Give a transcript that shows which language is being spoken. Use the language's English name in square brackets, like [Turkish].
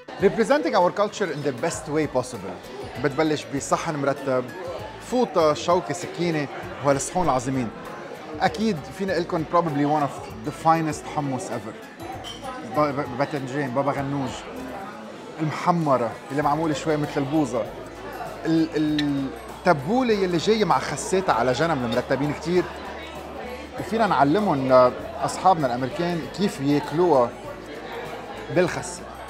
[English] Representing our culture in the best way possible. [Arabic] بتبلش بصحن مرتب، فوطة، شوكة، سكينة، وهالصحون العظيمين. أكيد فينا قلكن probably one of the finest hummus ever. باذنجان، بابا غنوج، المحمرة اللي معمولة شوية مثل البوزة، التبولة اللي جاية مع خساتها على جنب، المرتبين كتير، وفينا نعلمهم لأصحابنا الأمريكان كيف يأكلوها بالخسة.